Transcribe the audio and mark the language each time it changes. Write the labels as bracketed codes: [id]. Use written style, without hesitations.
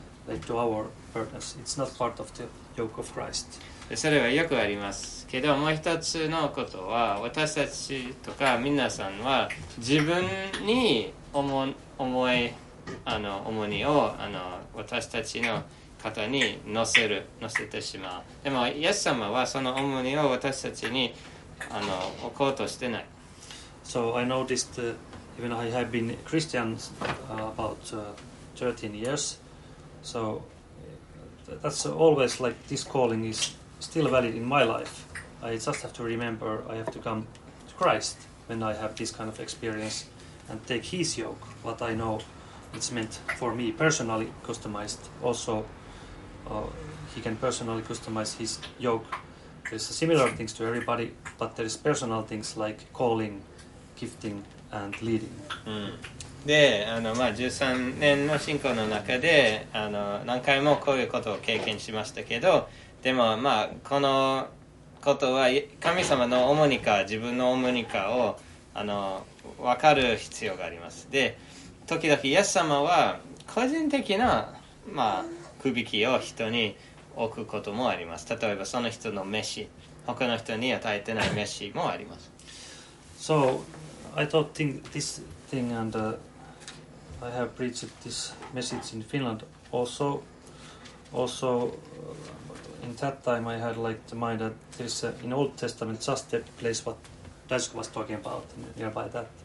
[en] like to our burdens. It's not part of the yoke of Christ. [ja] それはよくあります。けどもう一つのことは、私たちとか皆さんは自分に重荷を私たちの肩に乗せてしまう。でもイエス様はその重荷を私たちに置こうとしてない。 [en] So I noticed even I have been Christian about 13 years, so that's always like this calling is still valid in my life. I just have to remember I have to come to Christ when I have this kind of experience and take His yoke, what I know it's meant for me personally customized. Also, He can personally customize His yoke. There's similar things to everybody, but there's personal things like calling, gifting,And leading. [ja] で、13年の信仰の中で何回もこういうことを経験しましたけど、でも、このことは神様の主にか自分の主にかを分かる必要があります。で、時々イエス様は個人的な、くびきを人に置くこともあります。例えばその人の飯、他の人に与えてない飯もあります。 [en] So,I thought this thing, and I have preached this message in Finland also. Also, in that time I had like the mind that there's in Old Testament just the place what Daisuke was talking about nearby that.